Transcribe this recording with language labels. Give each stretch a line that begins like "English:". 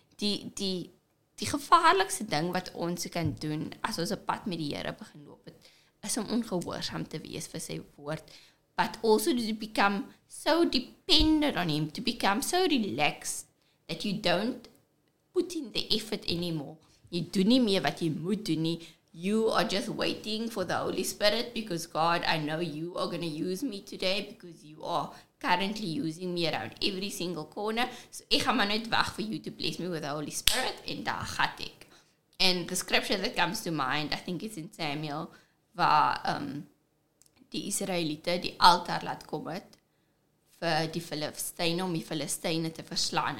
Afrikaans: Die gevaarlikste ding wat ons kan doen, as ons 'n pad met die Here begin loop, is om ongehoorsaam te wees vir sy woord,
English: but also to become so dependent on him, to become so relaxed that you don't put in the effort anymore.
Afrikaans: You do nie meer wat jy moet doen nie.
English: You are just waiting for the Holy Spirit, because God, I know you are going to use me today, because you are currently using me around every single corner.
Afrikaans: So ek gaan maar net wag vir
English: you to bless me with the Holy Spirit,
Afrikaans: en daar gaat ek.
English: And the scripture that comes to mind, I think it's in Samuel,
Afrikaans: waar die Israelite die altaar laat kom het vir die Filistyne, om die Filistyne te verslaan.